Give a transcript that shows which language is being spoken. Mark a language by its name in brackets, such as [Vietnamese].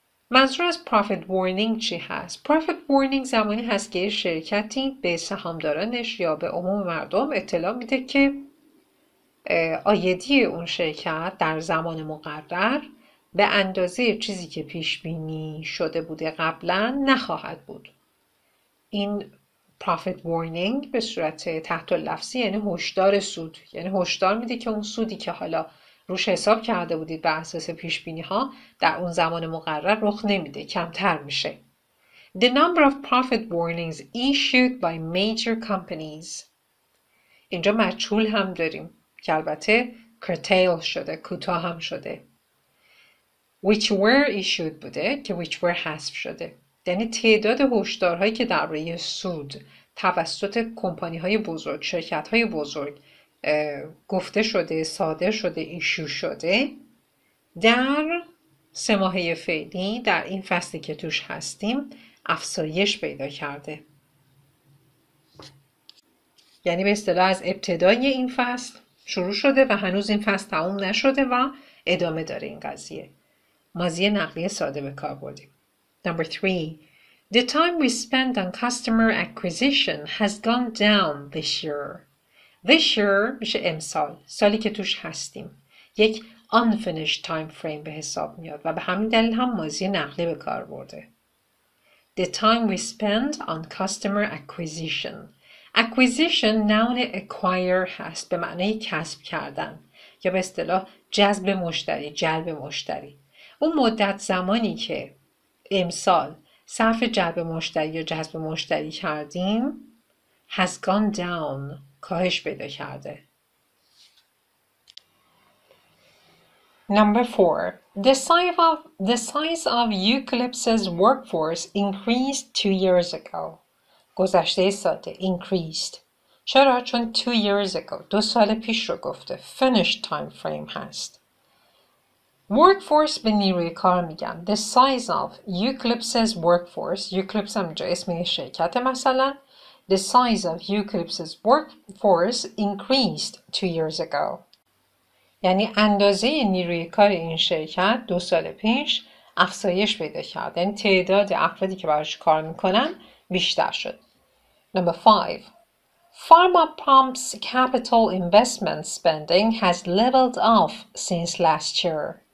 [Persian] منظور از پروفیت وارنینگ چی هست؟ پروفیت وارنینگ زمانی هست که شرکتی به سهامدارانش یا به عموم مردم اطلاع میده که آیدی اون شرکت در زمان مقرر به اندازه چیزی که پیش بینی شده بوده قبلا نخواهد بود. این پروفیت وارنینگ به صورت تحت لفظی یعنی هشدار سود، یعنی هشدار میده که اون سودی که حالا روش حساب کرده بودید بر اساس پیش بینی ها در اون زمان مقرر رخ نمیده، کمتر میشه. [English] The number of profit warnings issued by major companies. [Persian] اینجا مجهول هم داریم که البته curtail شده، کوتاه هم شده. [English] Which were issued [Persian] بوده که [English] which were [Persian] حذف شده. یعنی تعداد هشدارهایی که درباره سود توسط کمپانی های بزرگ، شرکت های بزرگ گفته شده، صادر شده، ایشو شده در سه ماهه فعلی در این فصلی که توش هستیم افزایش پیدا کرده. یعنی به اصطلاح از ابتدای این فصل شروع شده و هنوز این فصل تموم نشده و ادامه داره این قضیه. ماضی نقلی ساده به کار بردیم. [English] Number 3. The time we spend on customer acquisition has gone down this year. This year [Persian] میشه امسال، سالی که توش هستیم. یک [English] unfinished time frame [Persian] به حساب میاد و به همین دلیل هم ماضی نقلی به کار برده. [English] The time we spend on customer acquisition. [Persian] Acquisition noun acquire هست به معنی کسب کردن یا به اصطلاح جذب مشتری، جلب مشتری. اون مدت زمانی که امسال صرف جذب مشتری یا جذب مشتری کردیم [English] has gone down، [Persian] کاهش پیدا کرده. [English] Number four. The size of eucalyptus workforce increased 2 years ago. [Persian] گذشته ساده increased. چرا؟ چون [English] 2 years ago. [Persian] دو سال پیش رو گفته. [English] Finished time frame [Persian] هست. Workforce به نیروی کار میگن. [English] The size of eucalyptus workforce. Eucalyptus [Persian] هم جا اسم شرکت مثلا. [English] The size of eucalyptus workforce increased 2 years ago. [Persian] یعنی اندازه نیروی کار این شرکت 2 سال پیش افزایش پیدا کرده. یعنی تعداد افرادی که براش کار میکنن بیشتر شد. [English] Number 5. Pharma Pump's capital investment spending has leveled off since last year.